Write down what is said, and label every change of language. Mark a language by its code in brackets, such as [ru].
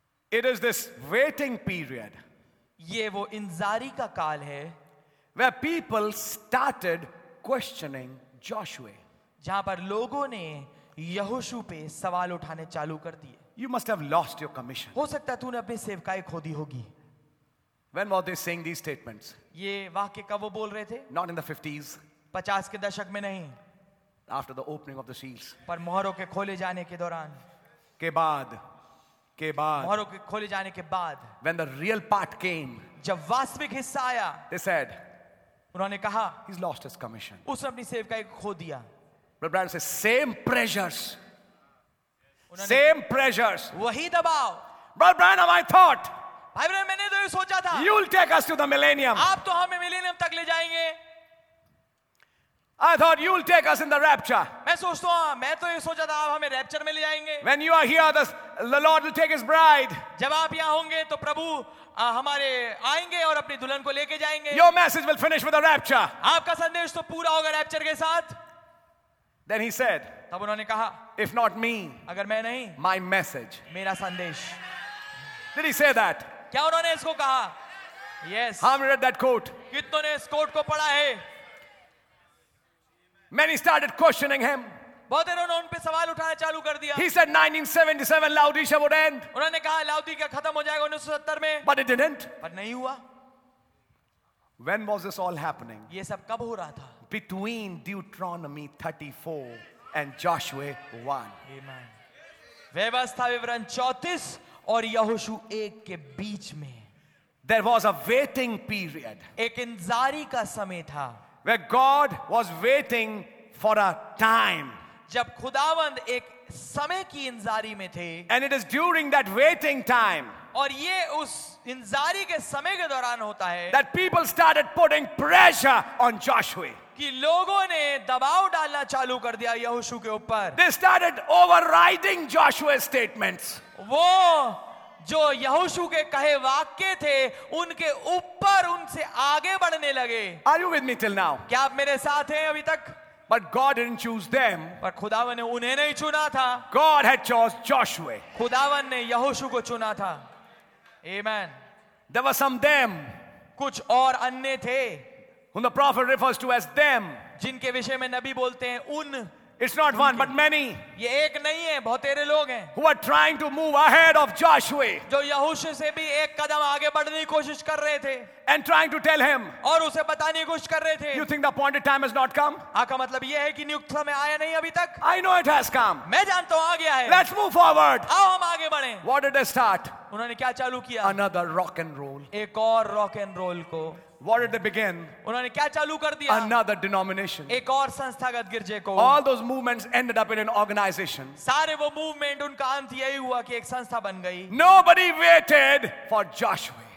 [en] It is this waiting period. [hi] ये वो इंतजारी का काल है. [en] Where people started questioning Joshua. [hi] जहां पर लोगों ने यहोशू पे सवाल उठाने चालू कर दिए. [en] You must have lost your commission. [hi] हो सकता है तूने अपनी सेवकाई खो दी होगी. [en] When were they saying these statements? [hi] ये वाक्य कब वो बोल रहे थे? [en] Not in the 50s. [hi] 50 के दशक में नहीं. [en] After the opening of the seals. [hi] पर मोहरों के खोले जाने के दौरान. के बाद. मोहरों के खोले जाने के बाद. [en] When the real part came. [hi] जब वास्तविक हिस्सा आया. [en] They said. [hi] उन्होंने कहा. [en] He's lost his commission. [hi] उसने अपनी सेवकाई खो दिया. [en] But Brian says, same pressures. Same pressures. [hi] वही दबाव. [en] Brother Branham, I thought. [hi] भाई ब्रह मैंने तो ये सोचा था. [en] You'll take us to the millennium. [hi] आप तो हमें मिलेनियम तक ले जाएंगे. [en] I thought you'll take us in the rapture. [hi] मैं सोचता हूँ, मैं तो ये सोचा था आप हमें रैप्चर में ले जाएंगे. [en] When you are here, the Lord will take His bride. [hi] जब आप यहाँ होंगे, तो प्रभु हमारे आएंगे और अपनी दुल्हन को लेके जाएंगे. [en] Your message will finish with the rapture. [hi] आपका संदेश तो पूरा होगा रैप्चर के साथ. [en] Then he said. [hi] तब उन्होंने कहा. [en] If not me. [hi] अगर मैं नहीं. [en] My message. [hi] मेरा संदेश. [en] Did he say that? [hi] क्या उन्होंने इसको कहा? [en] Yes. Have you read that quote? [hi] कितनों ने इस quote को पढ़ा है? [en] Many started questioning him. [hi] बहुत लोगों ने उन पे सवाल उठाना चालू कर दिया. [en] He said 1977 Laodicea would end. [hi] उन्होंने कहा लौदीकिया खत्म हो जाएगा 1970 में. [en] But it didn't. [hi] पर नहीं हुआ. [en] When was this all happening? [hi] ये सब कब हो रहा था? [en] Between Deuteronomy 34 and Joshua 1. Amen. [hi] व्यवस्था विवरण 34 और यहोशू 1 के बीच में. [en] There was a waiting period. [hi] एक इंतजारी का समय था. [en] Where God was waiting for a time. [hi] जब खुदावंद एक समय की इंतजारी में थे. [en] And it is during that waiting time. [hi] और ये उस इंतजारी के समय के दौरान होता है. [en] That people started putting pressure on Joshua. [hi] कि लोगों ने दबाव डालना चालू कर दिया यहोशू के ऊपर. [en] They started overriding Joshua's statements. [hi] वो जो यहोशू के कहे वाक्य थे उनके ऊपर उनसे आगे बढ़ने लगे. [en] Are you with me till now? [hi] क्या आप मेरे साथ हैं अभी तक? [en] But God didn't choose them. [hi] पर खुदावन ने उन्हें नहीं चुना था. [en] God had chosen Joshua. [hi] खुदावन ने यहोशू को चुना था. [en] Amen. There were some them. [hi] कुछ और अन्य थे. [en] Whom the prophet refers to as them. [hi] जिनके विषय में नबी बोलते हैं उन. [en] It's not one, but many. [hi] ये एक नहीं है, बहुत तेरे लोग हैं. [en] Who are trying to move ahead of Joshua? [hi] जो यहोशू से भी एक कदम आगे बढ़ने की कोशिश कर रहे थे. [en] And trying to tell him. [hi] और उसे बताने की कोशिश कर रहे थे. [en] You think the appointed time has not come? [hi] आका मतलब ये है कि नियुक्त समय आया नहीं अभी तक? [en] I know it has come. [hi] मैं जानता हूँ आ गया है. [en] Let's move forward. [hi] आओ हम आगे बढ़ें. [en] What did they start? [hi] उन्होंने क्या चालू किया? [en] Another rock and roll. [hi] एक और रॉक एंड रोल को. [en] What did they begin? [hi] उन्होंने क्या चालू कर दिया? [en] Another denomination. [hi] एक और संस्थागत गिरजे को. [en] All those movements ended up in an organization. [hi] सारे वो movement उनका अंत यही हुआ कि एक संस्था बन गई. [en] Nobody waited for Joshua.